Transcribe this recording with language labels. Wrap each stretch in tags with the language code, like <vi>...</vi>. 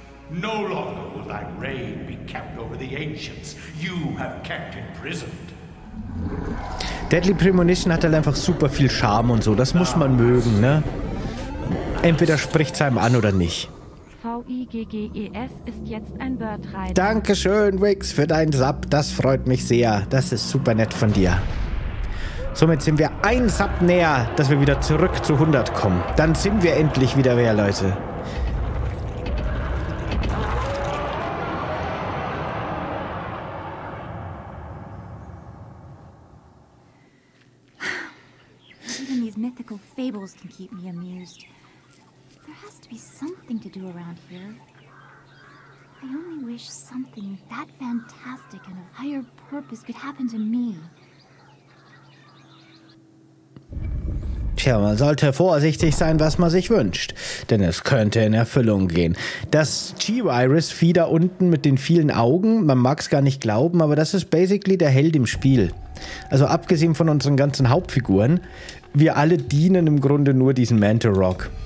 <en>No longer will thy reign be kept over the ancients you have kept imprisoned.</en> <de>Deadly Premonition hat halt einfach super viel Charme und so. Das muss man mögen, ne? Entweder spricht's einem an oder nicht. V-I-G-G-E-S ist jetzt ein Bird-Reiter. Dankeschön, Wix, für deinen Sub. Das freut mich sehr. Das ist super nett von dir. Somit sind wir ein Sub näher, dass wir wieder zurück zu 100 kommen. Dann sind wir endlich wieder mehr, Leute.</de> <en>Fables can keep me amused. There has to be something to do around here. I only wish something that fantastic and of higher purpose could happen to me.</en> <de>Tja, man sollte vorsichtig sein, was man sich wünscht, denn es könnte in Erfüllung gehen. Das G-Virus-Vieh da unten mit den vielen Augen, man mag es gar nicht glauben, aber das ist basically der Held im Spiel. Also abgesehen von unseren ganzen Hauptfiguren, wir alle dienen im Grunde nur diesem Mantle Rock.</de>